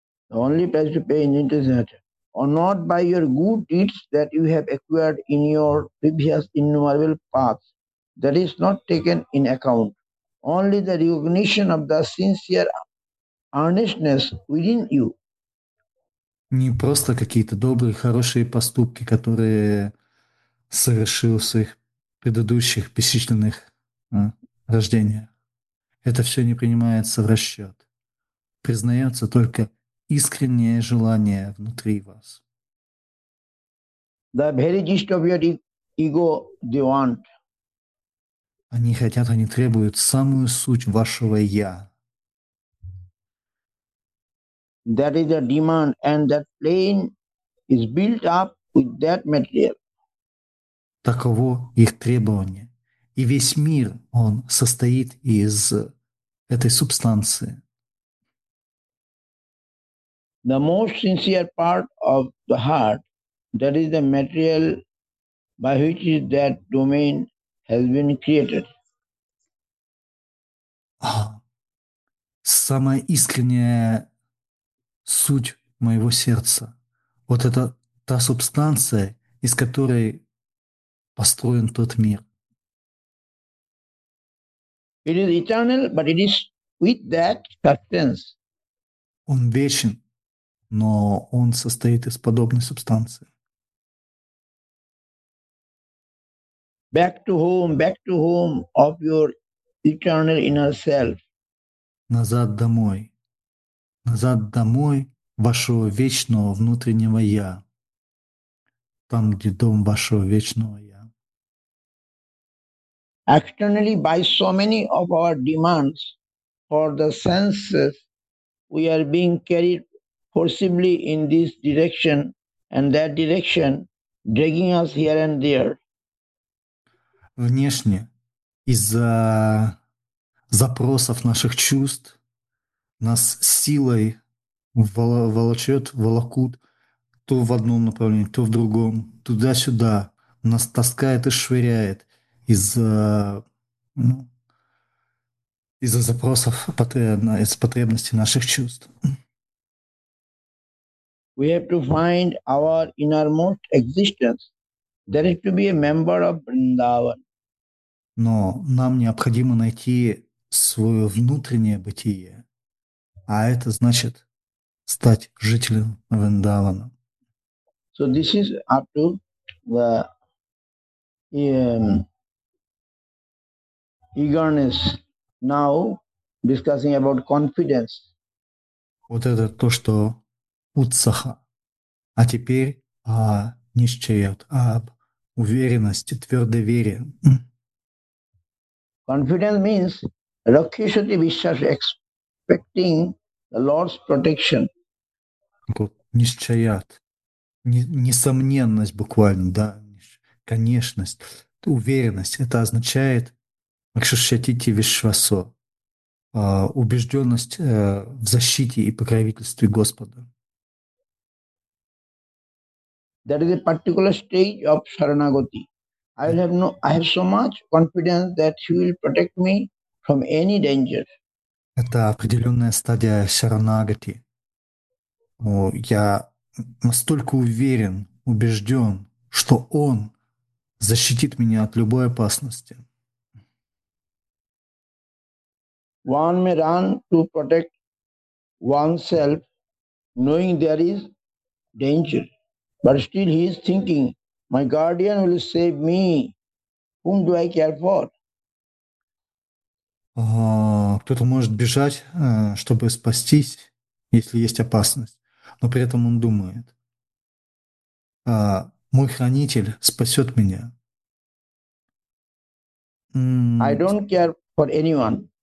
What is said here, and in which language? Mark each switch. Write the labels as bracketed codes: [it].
[en] The only price to pay in intensity or not by your good deeds that you have acquired in your previous innumerable paths. That is not taken in account. Only the recognition of the sincere earnestness within you. [ru] Не просто какие-то добрые, хорошие поступки, которые совершил в своих предыдущих бесчисленных рождениях. Это все не принимается в расчет. Признается только искреннее желание внутри вас. [en] The very gist of your ego they want. [ru] Они хотят, они требуют самую суть вашего «я». [en] That is a demand, and that plane is built up with that material. [ru] Таково их требование. И весь мир, он состоит из этой субстанции. [en] The most sincere part of the heart, that is the material by which is that domain has been created. [ru] Самая искренняя суть моего сердца. Вот это та субстанция, из которой построен тот мир. [en] It is eternal, but it is with that substance. [ru] Он вечен, но он состоит из подобной субстанции. [en] Back to home of your eternal inner self. [ru] Назад домой вашего вечного внутреннего я. Там, где дом вашего вечного я. [en] Externally, by so many of our demands for the senses, we are being carried forcibly in this direction and that direction, dragging us here and there. [ru] Внешне, из-за запросов наших чувств, нас силой волокут то в одном направлении, то в другом, туда-сюда. Нас таскает и швыряет из-за запросов, из потребностей наших чувств. [en] We have to find our innermost existence. There is to be a member of Vrindavan. [ru] Но нам необходимо найти свое внутреннее бытие, а это значит стать жителем Вриндавана. [en] So this is up to the eagerness. Now discussing about confidence. [ru] Вот это то, что утсаха. А теперь нищает, уверенности, твердой вере. [en] Confidence means rakshati vishwas, expecting the Lord's protection. [ru] Вот, нищаят, несомненность буквально, да, конечность, уверенность. Это означает рахшатити вишвасо, убежденность в защите и покровительстве Господа. [en] That is a particular stage of Sharanagati. I have so much confidence that he will protect me from any danger. [ru] Это определенная стадия Шаранагати. Я настолько уверен, убежден, что он защитит меня от любой опасности. [en] One may run to protect oneself, knowing there is danger. But still he is thinking, my guardian will save me. Whom do I care for? [ru] Кто-то может бежать, чтобы спастись, если есть опасность. Но при этом он думает, мой хранитель спасет меня. [en] I don't care for anyone.